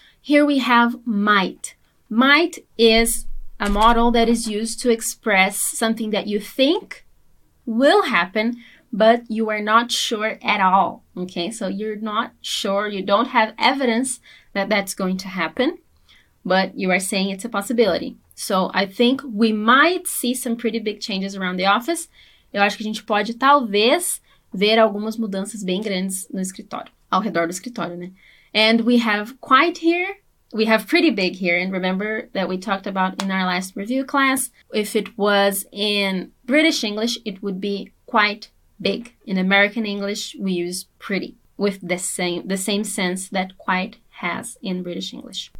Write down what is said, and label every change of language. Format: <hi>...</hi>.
<en>Here we have might. Might is a model that is used to express something that you think will happen, but you are not sure at all. Okay, so you're not sure, you don't have evidence that that's going to happen, but you are saying it's a possibility. So I think we might see some pretty big changes around the office.</en> <pt>Eu acho que a gente pode, talvez, ver algumas mudanças bem grandes no escritório, ao redor do escritório, né?</pt> <en>And we have quite here, we have pretty big here, and remember that we talked about in our last review class, if it was in British English, it would be quite big. In American English, we use pretty, with the same sense that quite has in British English.</en>